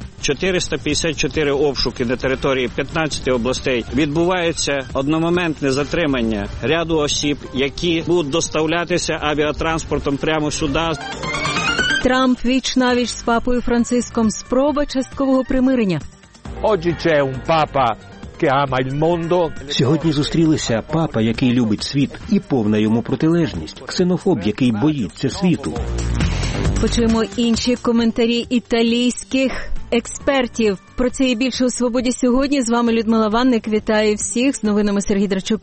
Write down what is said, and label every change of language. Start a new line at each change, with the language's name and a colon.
Ukrainian: 454 обшуки на території 15 областей. Відбувається одномоментне затримання ряду осіб, які будуть доставлятися авіатранспортом прямо сюди. Трамп віч-навіч з папою Франциском. Спроба часткового примирення.
Italian: Oggi c'è un papa che ama il mondo.
Ukrainian: Сьогодні зустрілися папа, який любить світ, і повна йому протилежність. Ксенофоб, який боїться світу. Почуємо інші коментарі італійських експертів. Про це і більше у «Свободі сьогодні». З вами Людмила Ванник. Вітаю всіх. З новинами Сергій Драчук.